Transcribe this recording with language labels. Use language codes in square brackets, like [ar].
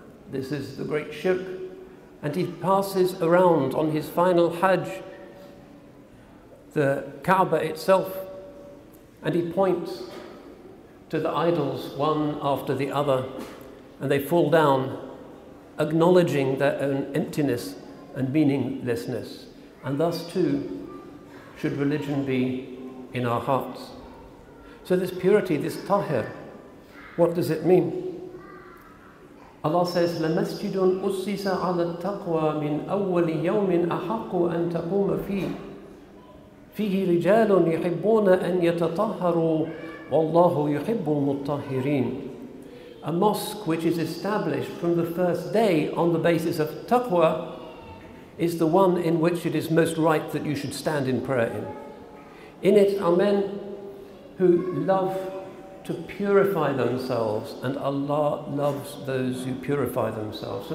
[en] This is the great shirk. And he passes around on his final Hajj the Kaaba itself, and he points to the idols one after the other, and they fall down, acknowledging their own emptiness and meaninglessness. And thus too should religion be in our hearts. So this purity, this tahir, what does it mean? Allah says, [ar] لَمَسْجِدٌ أُسِّسَ عَلَى التَّقْوَى مِنْ أَوَّلِ يَوْمٍ أَحَقُّ أَنْ تَقُومَ فِيهِ رِجَالٌ يُحِبُّونَ أَنْ يَتَطَهَّرُوا وَاللَّهُ يُحِبُّ الْمُطَّهِّرِينَ. [en] A mosque which is established from the first day on the basis of taqwa is the one in which it is most right that you should stand in prayer in. In it are men who love to purify themselves, and Allah loves those who purify themselves.